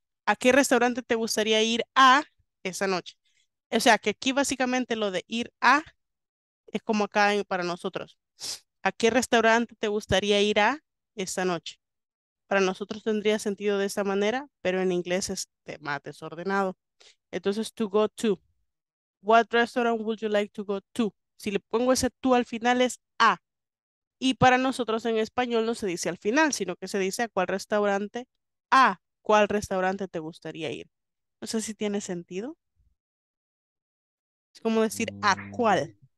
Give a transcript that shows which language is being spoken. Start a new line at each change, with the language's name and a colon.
Spanish: ¿A qué restaurante te gustaría ir a esa noche? O sea, que aquí básicamente lo de ir a es como acá para nosotros. ¿A qué restaurante te gustaría ir a esta noche? Para nosotros tendría sentido de esa manera, pero en inglés es más desordenado. Entonces,
English: to go to. What restaurant would you like to go to?
Spanish: Si le pongo ese to al final es a. Y para nosotros en español no se dice al final, sino que se dice a cuál restaurante, a cuál restaurante te gustaría ir. No sé si tiene sentido. Es como decir a cuál.